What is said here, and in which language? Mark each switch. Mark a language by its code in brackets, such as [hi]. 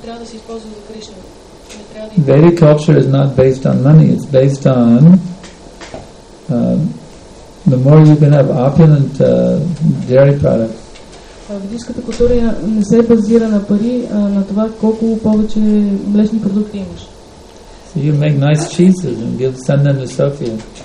[en] Vedic culture is not based on money. It's based on the more you can have opulent dairy products. [bg] Ведийската култура не се базира на пари, а на това колко повече млечни продукти имаш. [en] So you make nice cheeses and send them to Sofia.